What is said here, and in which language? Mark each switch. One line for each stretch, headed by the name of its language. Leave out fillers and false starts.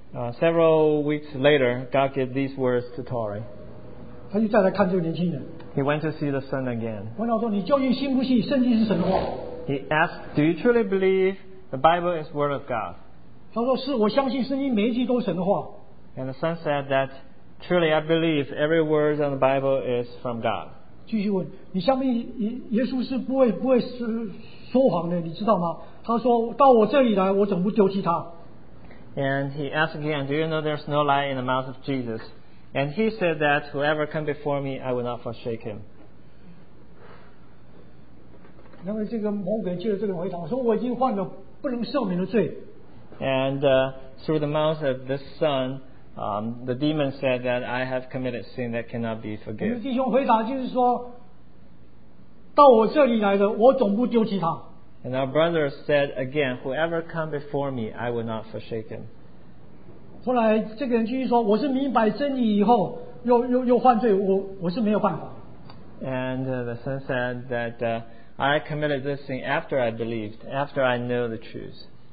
English: Several weeks later, God gave these words to Tori.
Chinese: 他就再来看这个年轻人。
English: He went to see the son again.
Chinese: 问他说：“你究竟信不信圣经是神的话？”
English: He asked, "Do you truly believe?" The Bible is word of God.
Chinese: 他说是，我相信圣经每一句都是神的话。
English: And the son said that truly I believe every word in the Bible is from God.
Chinese: 继续问，你相信耶稣是不会说谎的，你知道吗？他说到我这里来，我怎么不丢弃他？
English: And he asked again, do you know there's no lie in the mouth of Jesus? And he said that whoever come before me, I will not forsake him.
Chinese: 那么这个魔鬼借着这个回答，说我已经犯了。
English: And through the mouth of this son, the demon said that I have committed sin that cannot be forgiven. And our brother said again, whoever come before me, I will not forsake him.
Chinese: 后来这个人继续说，我是明白真理以后，又犯罪，我是没有办法。
English: And the son said that I committed this sin after I believed, after I know the truth.